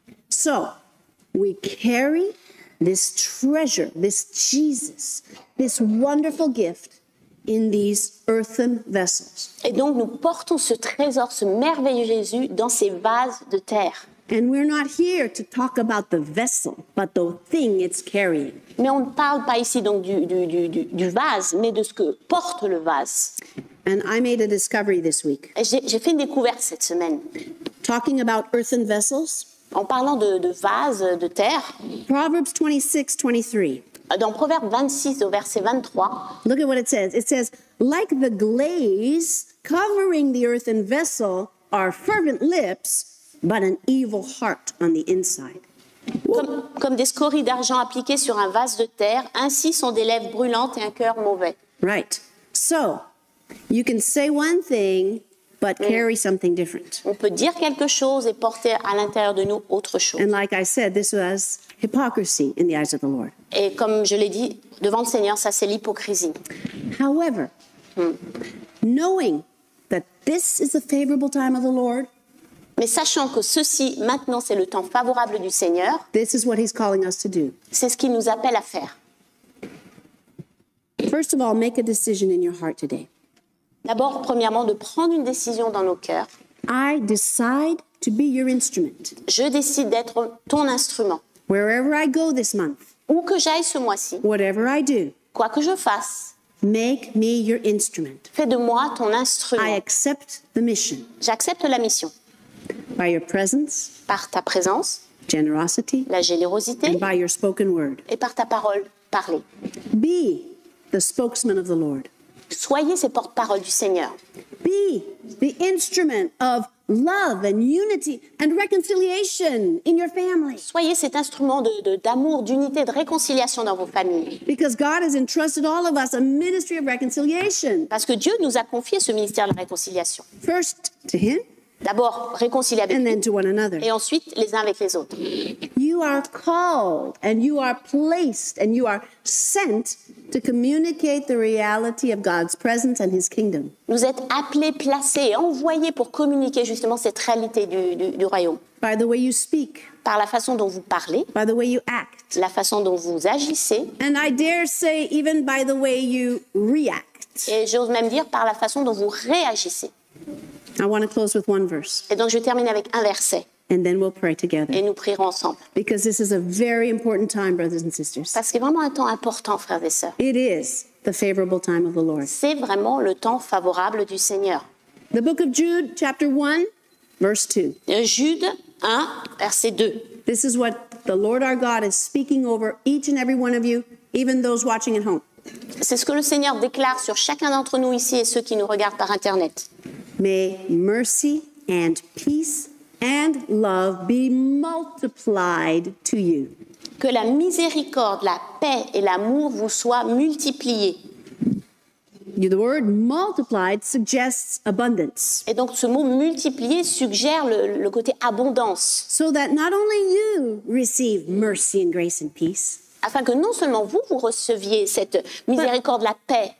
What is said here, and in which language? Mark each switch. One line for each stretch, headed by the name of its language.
English: So, we carry this treasure, this Jesus, this wonderful gift, in these earthen vessels.
French: Et donc nous portons ce trésor, ce merveilleux Jésus dans ces vases de terre.
English: And we're not here to talk about the vessel, but the thing it's carrying.
French: Mais on ne parle pas ici donc du vase, mais de ce que porte le vase.
English: And I made a discovery this week.
French: Et j'ai fait une découverte cette semaine.
English: Talking about earthen vessels.
French: En parlant de vases de terre.
English: Proverbs 26:23.
French: Dans Proverbes 26, au verset 23.
English: Look at what it says. It says, like the glaze covering the earthen vessel are fervent lips, but an evil heart on the inside.
French: Comme des scories d'argent appliquées sur un vase de terre, ainsi sont des lèvres brûlantes et un cœur mauvais.
English: Right. So, you can say one thing, but carry something different.
French: On peut dire quelque chose et porter à l'intérieur de nous autre chose.
English: And like I said, this was hypocrisy in the eyes of the Lord.
French: Et comme je l'ai dit, devant le Seigneur, ça c'est l'hypocrisie.
English: However, knowing that this is a favorable time of the Lord,
French: mais sachant que ceci, maintenant, c'est le temps favorable du Seigneur,
English: this is what he's calling us to do.
French: C'est ce qu'il nous appelle à faire.
English: First of all, make a decision in your heart today.
French: D'abord, premièrement, de prendre une décision dans nos cœurs.
English: I decide to be your instrument.
French: Je décide d'être ton instrument.
English: Wherever I go this month.
French: Où que j'aille ce mois-ci.
English: Whatever I do.
French: Quoi que je fasse.
English: Make me your instrument.
French: Fais de moi ton instrument.
English: I accept the mission.
French: J'accepte la mission.
English: By your presence.
French: Par ta présence.
English: Generosity.
French: La générosité.
English: And by your spoken word.
French: Et par ta parole parlée.
English: Be the spokesman of the Lord.
French: Soyez ces porte-paroles du Seigneur.
English: Be the instrument of love and unity and reconciliation in your family.
French: Soyez cet instrument d'amour, d'unité, de réconciliation dans vos familles.
English: Because God has entrusted all of us a ministry of reconciliation.
French: Parce que Dieu nous a confié ce ministère de la réconciliation.
English: First to him.
French: D'abord, réconcilier avec
English: and then to one another.
French: Et ensuite, les uns avec les autres.
English: You are called and you are placed and you are sent to communicate the reality of God's presence and his kingdom.
French: Vous êtes appelés, placés, envoyés pour communiquer justement cette réalité du royaume.
English: By the way you speak.
French: Par la façon dont vous parlez.
English: By the way you act.
French: La façon dont vous agissez.
English: And I dare say even by the way you react.
French: Et j'ose même dire par la façon dont vous réagissez.
English: I want to close with one verse.
French: Et donc je termine avec un verset.
English: And then we'll pray together.
French: Et nous prierons ensemble.
English: Because this is a very important time, brothers and sisters.
French: Parce que c'est vraiment un temps important, frères et sœurs.
English: It is the favorable time of the Lord.
French: C'est vraiment le temps favorable du Seigneur.
English: The book of Jude, chapter 1, verse 2.
French: Jude 1, verset 2.
English: This is what the Lord our God is speaking over each and every one of you, even those watching at home.
French: C'est ce que le Seigneur déclare sur chacun d'entre nous ici et ceux qui nous regardent par Internet.
English: May mercy and peace and love be multiplied to you.
French: Que la miséricorde, la paix et l'amour vous soient multipliés.
English: The word multiplied suggests abundance.
French: Et donc ce mot multiplier suggère le côté abondance.
English: So that not only you receive mercy and grace and peace.
French: afin que non seulement vous, vous receviez cette miséricorde, la paix